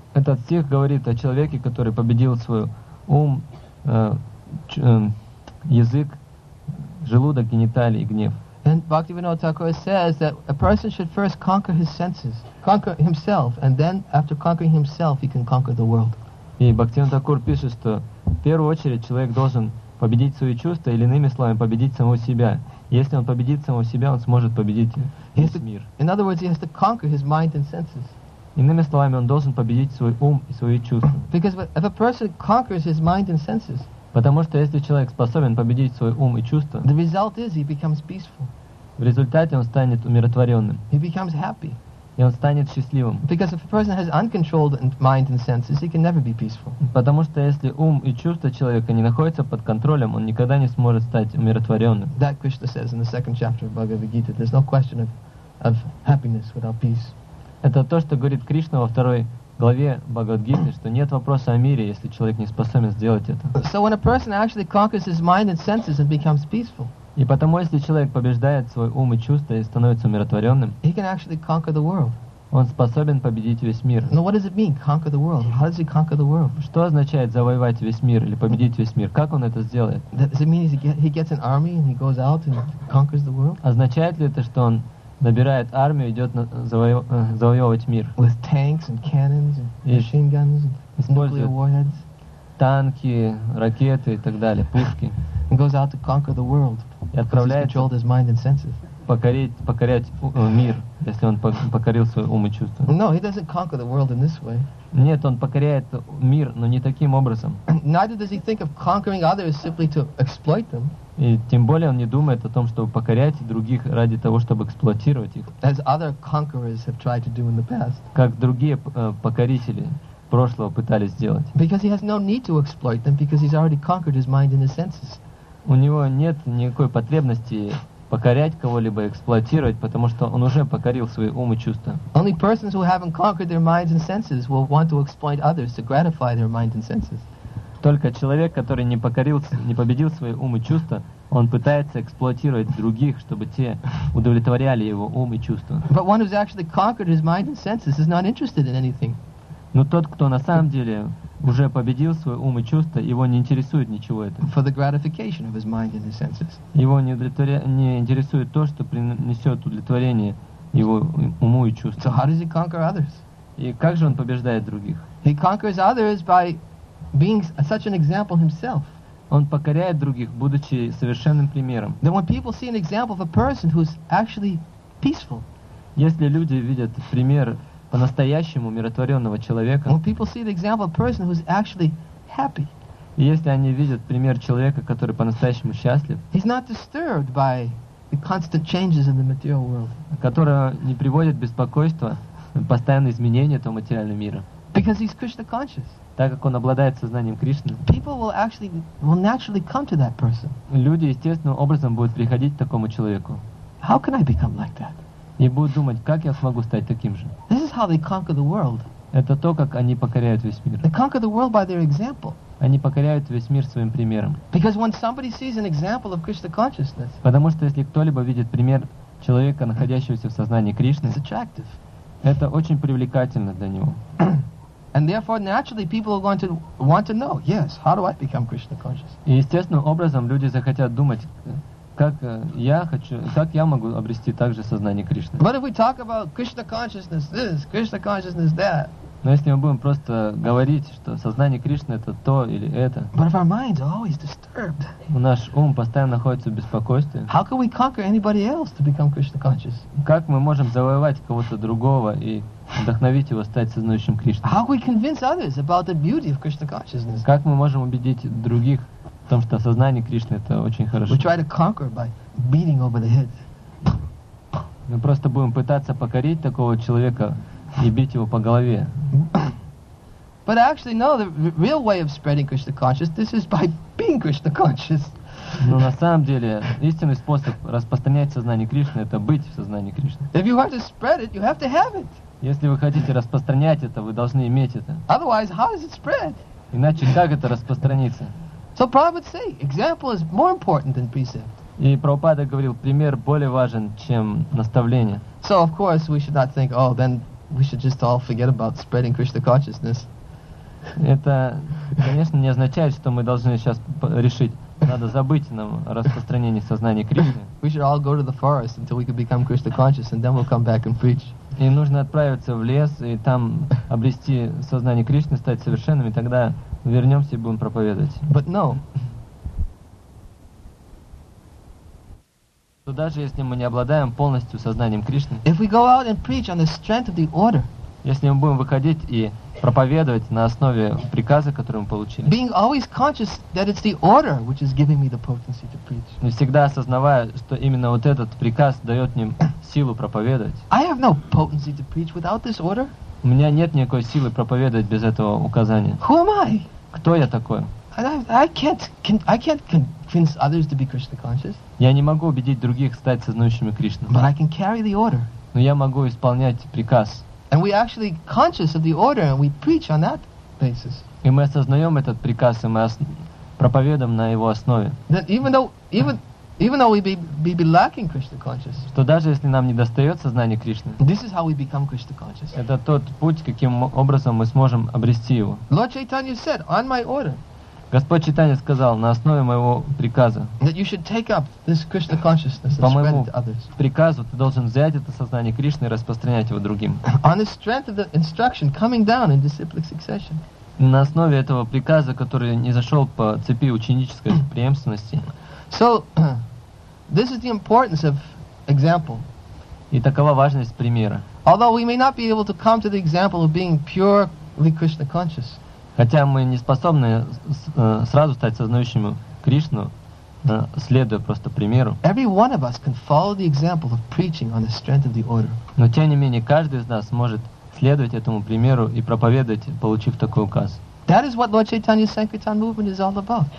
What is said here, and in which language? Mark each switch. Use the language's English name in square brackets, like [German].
[Russian] Этот стих говорит о человеке, который победил свой ум, язык, желудок, гениталии, гнев. [English] And Bhaktivinoda Thakur says that a person should first conquer his senses, conquer himself, and then after conquering himself, he can conquer the world. [Russian] И Бхактивинода Такур пишет, что в первую очередь человек должен победить свои чувства, или иными словами, победить самого себя. Если он победит самого себя, он сможет победить весь мир. [English] In other words, he has to conquer his mind and senses. [Russian] Иными словами, он должен победить свой ум и свои чувства. [English] Because if a person conquers his mind and senses, [Russian] потому что если человек способен победить свой ум и чувства, [English] the result is he becomes peaceful. [Russian] В результате он станет умиротворенным. [English] He becomes happy. [Russian] И он станет счастливым. [English] Because if a person has uncontrolled mind and senses, he can never be peaceful. [Russian] Потому что если ум и чувства человека не находятся под контролем, он никогда не сможет стать умиротворенным. [English] That Krishna says in the second chapter of Bhagavad Gita, there's no question of happiness without peace. [Russian] Это то, что говорит Кришна во второй главе Бхагавад Гиты, что нет вопроса о мире, если человек не способен сделать это. [English] So when a person actually conquers his mind and senses and becomes peaceful. [Russian] И потому, если человек побеждает свой ум и чувства и становится умиротворенным, [English] he can actually conquer the world. [Russian] Он способен победить весь мир. [English] Now, what does it mean, conquer the world? How does he conquer the world? [Russian] Что означает завоевать весь мир или победить весь мир? Как он это сделает? [English] Does it mean he gets an army and he goes out and conquers the world? [Russian] Означает ли это, что он набирает армию и идет завоевывать мир? [English] With tanks and cannons and machine guns and nuclear warheads. [Russian] Танки, ракеты и так далее, пушки. [English] He goes out to conquer the world. [Russian] И отправляет [English] controlled his mind and senses. [Russian] Покорять мир, если он покорил свой ум и чувства. [English] No, he doesn't conquer the world in this way. [Russian] Нет, он покоряет мир, но не таким образом. [English] Neither does he think of conquering others simply to exploit them. [Russian] И тем более он не думает о том, чтобы покорять других ради того, чтобы эксплуатировать их. [English] As other conquerors have tried to do in the past. [Russian] Как другие покорители прошлого пытались сделать. [English] Because he has no need to exploit them because he's already conquered his mind and his senses. [Russian] У него нет никакой потребности покорять кого-либо, эксплуатировать, потому что он уже покорил свои умы и чувства. [English] Only persons who haven't conquered their minds and senses will want to exploit others to gratify their minds and senses. [Russian] Только человек, который не победил свои умы и чувства, он пытается эксплуатировать других, чтобы те удовлетворяли его ум и чувства. [English] But one who's actually conquered his mind and senses is not interested in anything. [Russian] Но тот, кто на самом деле уже победил свой ум и чувства, его не интересует ничего это. [English] For the gratification of his mind and his senses. [Russian] Его не интересует то, что принесет удовлетворение его уму и чувства. [English] So how does he conquer others? [Russian] И как же он побеждает других? [English] He conquers others by being such an example himself. [Russian] Он покоряет других, будучи совершенным примером. [English] Then when people see an example of a person who's actually peaceful. [Russian] Если люди видят пример по-настоящему умиротворенного человека. [English] When people see the example of a person who's actually happy. [Russian] Если они видят пример человека, который по-настоящему счастлив. [English] He's not disturbed by the constant changes in the material world. [Russian] Которое не приводит беспокойства постоянные изменения этого материального мира. [English] Because he's Krishna conscious. [Russian] Так как он обладает сознанием Кришны. [English] People will naturally come to that person. [Russian] Люди естественным образом будут приходить к такому человеку. [English] How can I become like that? [Russian] И будут думать, как я смогу стать таким же. [English] This is how they conquer the world. [Russian] Это то, как они покоряют весь мир. [English] They conquer the world by their example. [Russian] Они покоряют весь мир своим примером. [English] Because when somebody sees an example of Krishna consciousness, [Russian] потому что если кто-либо видит пример человека, находящегося в сознании Кришны, [English] it's attractive. [Russian] Это очень привлекательно для него. [English] And therefore, naturally, people are going to want to know, yes, how do I become Krishna conscious? [Russian] И естественным образом люди захотят думать, как я могу обрести также сознание Кришны? [English] But if we talk about Krishna consciousness this, Krishna consciousness that. [Russian] Но если мы будем просто говорить, что сознание Кришны это то или это. [English] But if our minds are always disturbed. [Russian] Наш ум постоянно находится в беспокойстве. [English] How can we conquer anybody else to become Krishna conscious? [Russian] Как мы можем завоевать кого-то другого и вдохновить его стать сознающим Кришны? [English] How can we convince others about the beauty of Krishna consciousness? [Russian] Как мы можем убедить других? В том, что сознание Кришны это очень хорошо. [English] We try to conquer by beating over the head. [Russian] Мы просто будем пытаться покорить такого человека и бить его по голове. [English] But actually, no, the real way of spreading Krishna consciousness is by being Krishna conscious. [Russian] Но на самом деле истинный способ распространять сознание Кришны это быть в сознании Кришны. [English] If you want to spread it, you have to have it. [Russian] Если вы хотите распространять это, вы должны иметь это. [English] Otherwise, how does it spread? [Russian] Иначе как это распространится? [English] So Prabhupada would say, example is more important than precept. [Russian] И Прабхупада говорил, пример более важен, чем наставление. [English] So of course we should not think, oh, then we should just all forget about spreading Krishna consciousness. [Russian] Это, конечно, не означает, что мы должны сейчас решить, надо забыть нам распространение сознания Кришны. [English] We should all go to the forest until we can become Krishna conscious, and then we'll come back and preach. [Russian] И нужно отправиться в лес и там обрести сознание Кришны, стать совершенным, и тогда вернемся и будем проповедовать. [English] But no. [Russian] Но даже если мы не обладаем полностью сознанием Кришны, [English] if we go out and preach on the strength of the order, [Russian] если мы будем выходить и проповедовать на основе приказа, который мы получили, [English] being always conscious that it's the order which is giving me the potency to preach, [Russian] но всегда осознавая, что именно вот этот приказ дает мне силу проповедовать, [English] I have no potency to preach without this order. [Russian] У меня нет никакой силы проповедовать без этого указания. [English] Who am I? [Russian] Кто я такой? [English] I can't convince others to be Krishna conscious. [Russian] Я не могу убедить других стать сознающими Кришну. [English] But I can carry the order. [Russian] Но я могу исполнять приказ. [English] And we actually conscious of the order and we preach on that basis. [Russian] И мы осознаем этот приказ, и мы проповедуем на его основе. [English] Then even though we be lacking Krishna conscious. [Russian] Что даже если нам не достает сознания Кришны. [English] This is how we become Krishna conscious. [Russian] Это тот путь, каким образом мы сможем обрести его. [English] Lord Chaitanya said, on my order. [Russian] Господь Читания сказал, на основе моего приказа, [English] that you should take up this Krishna consciousness and spread it to others. [Russian] По моему приказу ты должен взять это сознание Кришны и распространять его другим. [English] On the strength of the instruction coming down in disciplic succession. [Russian] На основе этого приказа, который не зашел по цепи ученической преемственности. [English] So, this is the importance of example. [Russian] И такова важность примера. [English] Although we may not be able to come to the example of being purely Krishna conscious. [Russian] Хотя мы не способны сразу стать сознающими Кришну, следуя просто примеру. [English] Every one of us can follow the example of preaching on the strength of the order. [Russian] Но тем не менее каждый из нас может следовать этому примеру и проповедовать, получив такой указ. [English] That is what Lord Chaitanya's Sankirtan movement is all about.